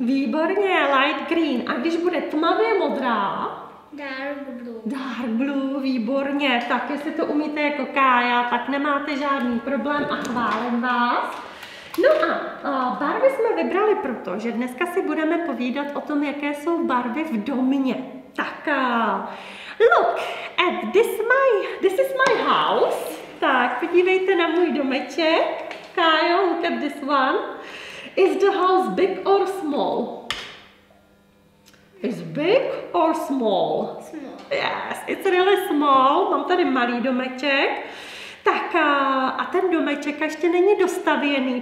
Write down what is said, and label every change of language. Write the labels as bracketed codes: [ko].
[cs] Výborně, [en] light green. [cs] A když bude tmavě modrá. [en] Dark blue. Dark blue, výborně. [cs] Tak jestli to umíte jako Kája, tak nemáte žádný problém a chválím vás. No a barvy jsme vybrali proto, že dneska si budeme povídat o tom, jaké jsou barvy v domě. [en] Tak, look at this is my house. [cs] Tak, podívejte na můj domeček. [en] Kyle, look at this one. Is the house big or small? Is big or small? Small. Yes, it's really small. [cs] Mám tady malý domeček. Tak a ten domeček ještě není dostavěný.